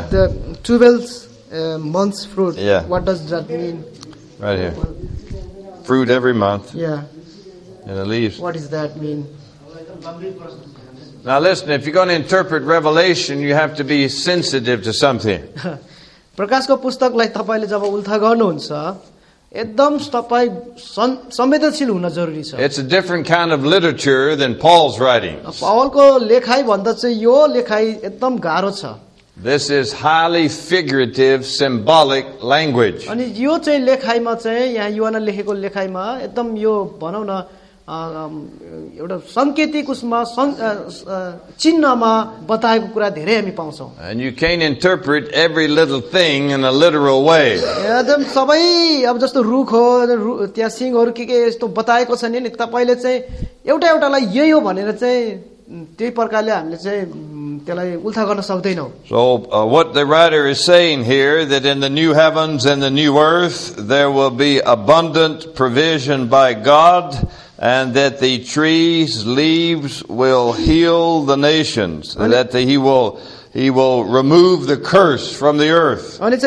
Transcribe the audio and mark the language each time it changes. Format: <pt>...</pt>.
<en>The 12th month's fruit. Yeah. What does that mean? Right here. Fruit every month. Yeah. And the leaves. What does that mean? Now listen, if you're going to interpret Revelation, you have to be sensitive to something.</en> <ne>प्रकाशको पुस्तकलाई तपाईले जब उल्टा गर्नुहुन्छ एकदम तपाई संवेदनशील हुन जरुरी छ.</ne> <en>It's a different kind of literature than Paul's writings.</en> <ne>पौलको लेखाइ भन्दा चाहिँ यो लेखाइ एकदम गाह्रो छ.</ne> <en>This is highly figurative, symbolic language.</en> <ne>अनि यो चाहिँ लेखाइमा चाहिँ यहाँ युहान लेखेको लेखाइमा एकदम यो भनौ न एउटा सङ्केतिक उसमा चिन्हमा बताएको कुरा धेरै हामी पाउँछौँ.</ne> <en>And you can't interpret every little thing in a literal way.</en> <ne>एकदम सबै अब जस्तो रुख हो त्यहाँ सिंहहरू के यस्तो बताएको छ नि तपाईँले चाहिँ एउटा एउटालाई यही हो भनेर चाहिँ त्यही प्रकारले हामीले चाहिँ</ne> <en>So what the writer is saying here, that in the new heavens and the new earth, there will be abundant provision by God, and that the trees' leaves will heal the nations, and that he will remove the curse from the earth.</en>